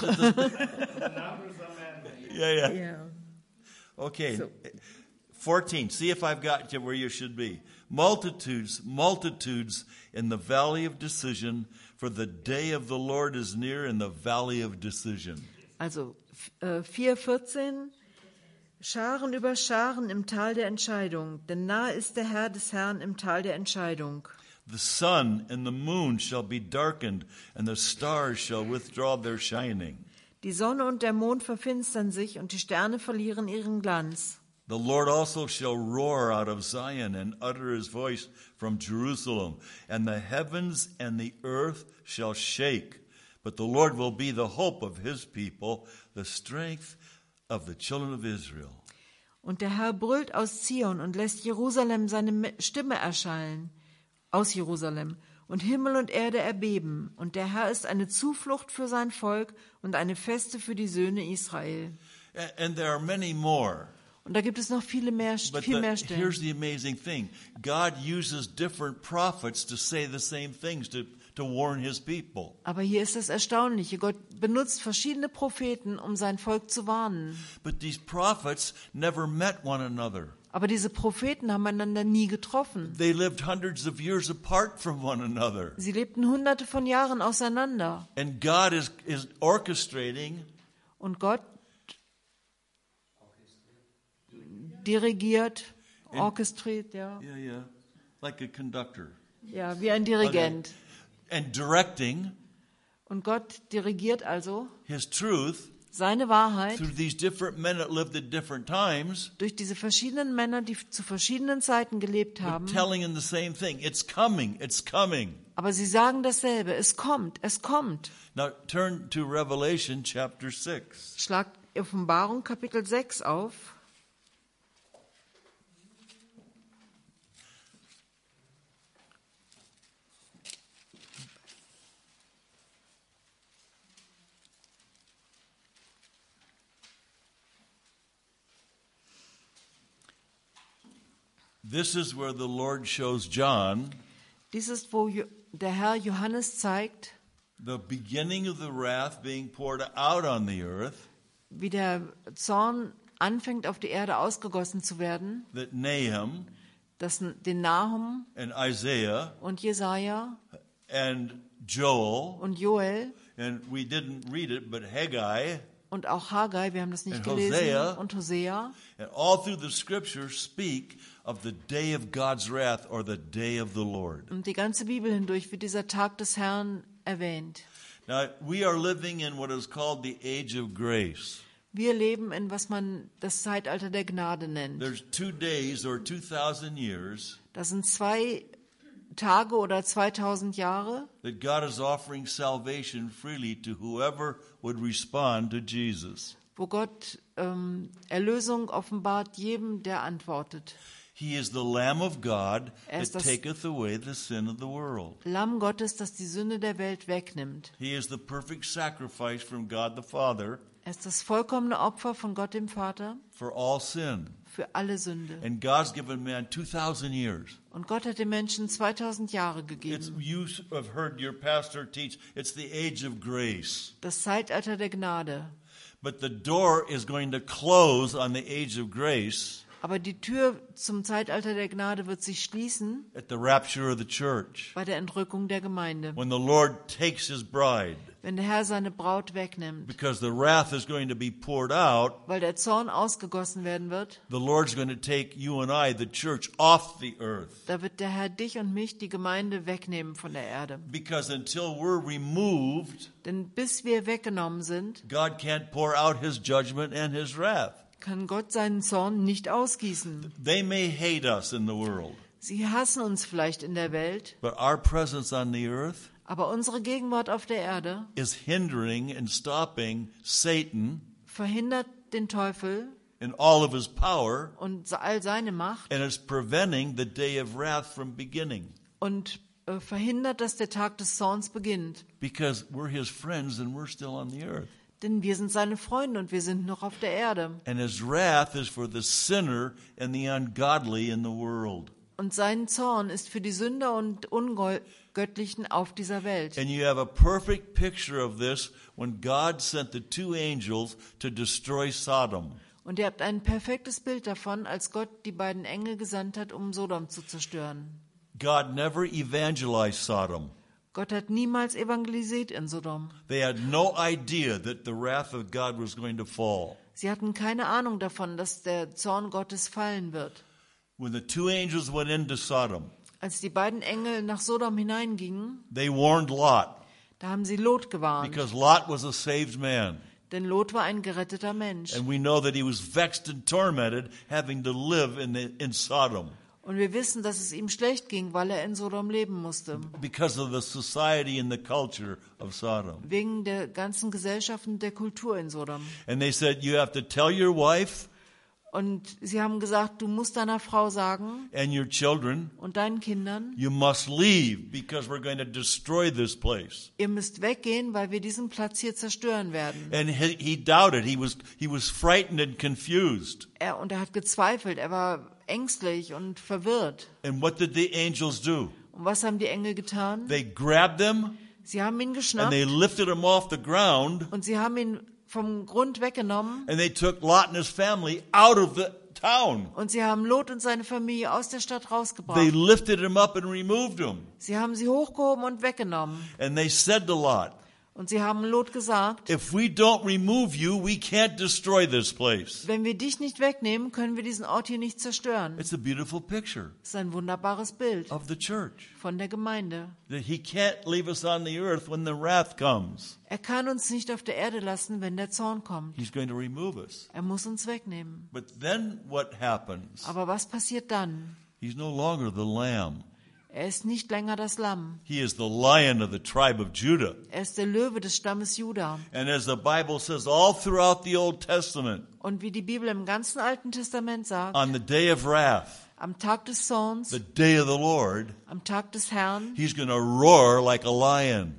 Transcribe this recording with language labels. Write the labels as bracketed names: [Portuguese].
[English] The numbers are mandated. Yeah. Okay. So. 14, see if I've got you where you should be. Multitudes in the valley of decision, for the day of the Lord is near in the valley of decision. [German] Also 4:14, Scharen über Scharen im Tal der Entscheidung, denn nahe ist der Herr des Herrn im Tal der Entscheidung. [English] The sun and the moon shall be darkened, and the stars shall withdraw their shining. [German] Die Sonne und der Mond verfinstern sich, und die Sterne verlieren ihren Glanz. [English] The Lord also shall roar out of Zion and utter his voice from Jerusalem, and the heavens and the earth shall shake. But the Lord will be the hope of his people, the strength of the children of Israel. [German] Und der Herr brüllt aus Zion und lässt Jerusalem seine Stimme erschallen, aus Jerusalem, und Himmel und Erde erbeben. Und der Herr ist eine Zuflucht für sein Volk und eine Feste für die Söhne Israel. [English] And there are many more. [German] Und da gibt es noch viele mehr, viel mehr Stellen. [English] Here's the amazing thing. God uses different prophets to say the same things, to warn his people. [German] Aber hier ist das Erstaunliche. Gott benutzt verschiedene Propheten, um sein Volk zu warnen. [English] But these prophets never met one another. [German] Aber diese Propheten haben einander nie getroffen. [English] They lived hundreds of years apart from one another. [German] Sie lebten hunderte von Jahren auseinander. [English] And God is orchestrating. [German] Und Gott dirigiert, orchestriert, [English] like a conductor. [German] Ja, wie ein Dirigent. [English] And directing. [German] Und Gott dirigiert also [English] his truth, [German] seine Wahrheit [English] through these different men that lived at different times, [German] durch diese verschiedenen Männer, die zu verschiedenen Zeiten gelebt haben, [English] telling in the same thing, it's coming, it's coming. [German] Aber sie sagen dasselbe, es kommt, es kommt. [English] Now turn to Revelation chapter 6. [German] Schlagt Offenbarung Kapitel 6 auf. [English] This is where the Lord shows John. [German] Dies ist, wo der Herr Johannes zeigt, [English] the beginning of the wrath being poured out on the earth. [German] Wie der Zorn anfängt, auf die Erde ausgegossen zu werden. [English] That Nahum, [German] das den Nahum, [English] and Isaiah, [German] und Jesaja, [English] and Joel, [German] und Joel, [English] and we didn't read it, but Haggai. [German] Und auch Haggai, wir haben das nicht gelesen. Hosea, und Hosea. [English] And all through the scriptures speak of the day of God's wrath or the day of the Lord. [German] Und die ganze Bibel hindurch wird dieser Tag des Herrn erwähnt. [English] Now we are living in what is called the age of grace. [German] Wir leben in was man das Zeitalter der Gnade nennt. [English] There's 2 days or 2,000 years. [German] Das sind 2 Tage oder 2000 Jahre. [English] That God is offering salvation freely to whoever would respond to Jesus. [German] Wo Gott Erlösung offenbart jedem, der antwortet. [English] He is the Lamb of God that taketh away the sin of the world. [German] Lamm Gottes, das die Sünde der Welt wegnimmt. [English] He is the perfect sacrifice from God the Father. [German] Er ist das vollkommene Opfer von Gott dem Vater. [English] For all sin. [German] Für alle Sünde. [English] And God's given man 2,000 years. [German] Und Gott hat dem Menschen 2000 Jahre gegeben. [English] It's, you have heard your pastor teach, it's the age of grace. [German] Das Zeitalter der Gnade. [English] But the door is going to close on the age of grace. [German] Aber die Tür zum Zeitalter der Gnade wird sich schließen. [English] At the rapture of the church. [German] Bei der Entrückung der Gemeinde. [English] When the Lord takes his bride. [German] Wenn der Herr seine Braut wegnimmt. [English] Because the wrath is going to be poured out. [German] Weil der Zorn ausgegossen werden wird. [English] The Lord's going to take you and I, the church, off the earth. [German] Da wird der Herr dich und mich, die Gemeinde, wegnehmen von der Erde. [English] Because until we're removed. [German] Denn bis wir weggenommen sind. [English] God can't pour out his judgment and his wrath. [German] Kann Gott seinen Zorn nicht ausgießen. [English] They may hate us in the world. [German] Sie hassen uns vielleicht in der Welt. [English] But our presence on the earth. [German] Aber unsere Gegenwart auf der Erde [English] is hindering and stopping Satan, [German] verhindert den Teufel [English] in all of his power, [German] und all seine Macht, [English] and is preventing the day of wrath from beginning. [German] Und verhindert, dass der Tag des Zorns beginnt. [English] Because we're his friends and we're still on the earth. [German] Denn wir sind seine Freunde und wir sind noch auf der Erde. [English] And his wrath is for the sinner and the ungodly in the world. [German] Und sein Zorn ist für die Sünder und Ungöttlichen auf dieser Welt. [English] And you have a perfect picture of this when God sent the 2 angels to destroy Sodom. [German] Und ihr habt ein perfektes Bild davon, als Gott die beiden Engel gesandt hat, um Sodom zu zerstören. [English] God never evangelized Sodom. [German] Gott hat niemals evangelisiert in Sodom. [English] They had no idea that the wrath of God was going to fall. [German] Sie hatten keine Ahnung davon, dass der Zorn Gottes fallen wird. [English] When the 2 angels went into Sodom, [German] als die beiden Engel nach Sodom hineingingen, [English] they warned Lot. [German] Da haben sie Lot gewarnt. [English] Because Lot was a saved man. [German] Denn Lot war ein geretteter Mensch. [English] And we know that he was vexed and tormented having to live in Sodom. [German] Und wir wissen, dass es ihm schlecht ging, weil er in Sodom leben musste. [English] Because of the society and the culture of Sodom. [German] Wegen der ganzen Gesellschaft und der Kultur in Sodom. [English] And they said, you have to tell your wife. [German] Und sie haben gesagt, du musst deiner Frau sagen. [English] And your children. [German] Und deinen Kindern. [English] You must leave, because we're going to destroy this place. [German] Ihr müsst weggehen, weil wir diesen Platz hier zerstören werden. [English] And he doubted. He was frightened and confused. [German] Er hat gezweifelt. Er war ängstlich und verwirrt. [English] And what did the angels do? [German] Und was haben die Engel getan? [English] They grabbed them. [German] Sie haben ihn geschnappt. [English] And they lifted him off the ground. [German] Und sie haben ihn vom Grund weggenommen. [English] And they took Lot and his family out of the town. [German] Und sie haben Lot und seine Familie aus der Stadt rausgebracht. [English] They lifted him up and removed him. [German] Sie haben sie hochgehoben und weggenommen. [English] And they said to Lot. [German] Und sie haben Lot gesagt, [English] if we don't remove you, we can't destroy this place. [German] Wenn wir dich nicht wegnehmen, können wir diesen Ort hier nicht zerstören. [English] It's a beautiful picture. [German] Es ist ein wunderbares Bild [English] of the church. [German] Von der Gemeinde. [English] That he can't leave us on the earth when the wrath comes. [German] Er kann uns nicht auf der Erde lassen, wenn der Zorn kommt. [English] He's going to remove us. [German] Er muss uns wegnehmen. [English] But then what happens? [German] Aber was passiert dann? [English] He's no longer the lamb. [German] Er ist nicht länger das Lamm. [English] He is the lion of the tribe of Judah. [German] Er ist der Löwe des Stammes Juda. [English] And as the Bible says, all throughout the Old Testament. [German] Und wie die Bibel im ganzen Alten Testament sagt. [English] On the day of wrath. [German] Am Tag des Zorns. [English] The day of the Lord. [German] Am Tag des Herrn. [English] He's going to roar like a lion.